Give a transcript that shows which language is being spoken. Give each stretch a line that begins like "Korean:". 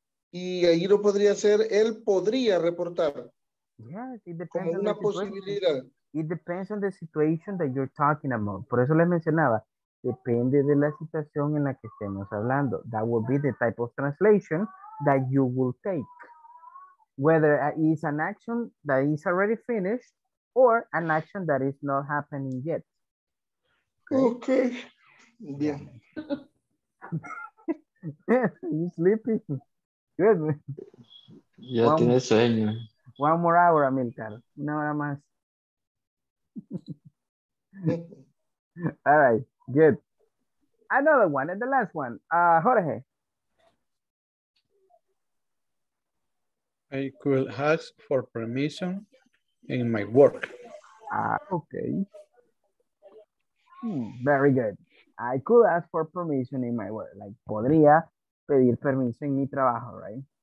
Spanish: Y ahí lo podría hacer, él podría reportar.
English: Yeah, it depends.
Spanish: Como una posibilidad.
English: It depends on the situation that you're talking about.
Spanish: Por eso les mencionaba, depende de la situación en la que estemos hablando.
English: That will be the type of translation that you will take. Whether it's an action that is already finished or an action that is not happening yet. Okay. Bien. You're sleeping. Good.
Spanish: Ya tiene sueño.
English: One more hour, Amilcar.
Spanish: Una hora más.
English: All right, good. Another one, and the last one. Jorge. I could ask for permission in my work. Okay. Very good. I could ask for permission in my work.
Spanish: Like, podría pedir permiso en mi trabajo, right?